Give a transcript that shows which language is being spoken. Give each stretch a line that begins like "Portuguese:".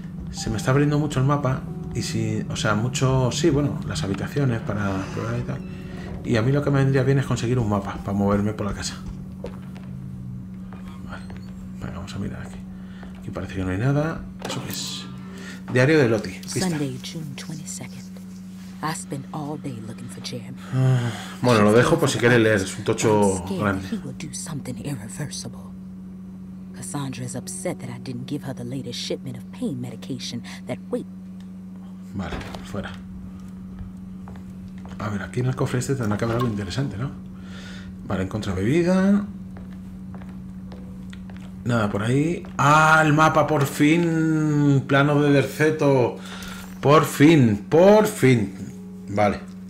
Spanish: Se me está abriendo mucho el mapa. Y si... O sea, mucho... Sí, bueno, las habitaciones para probar y tal. Y a mí lo que me vendría bien es conseguir un mapa para moverme por la casa. Vale. Vale, vamos a mirar aquí. Aquí parece que no hay nada. Eso es. Diario de Lottie. Pista.
English: Sunday, June 22nd. I spent all day looking for Jeremy.
Spanish: Bueno, lo dejo por si quieres leer. Es un tocho grande.
English: He will do something irreversible. Cassandra is upset that I didn't give her the latest shipment of pain medication that wait.
Spanish: Vale, fuera. A ver, aquí en el cofre este tendrá que haber algo interesante, ¿no? Vale, encontra bebida. Nada por ahí. ¡Ah, el mapa! ¡Por fin! Plano de Derceto. ¡Por fin! ¡Por fin! Vale.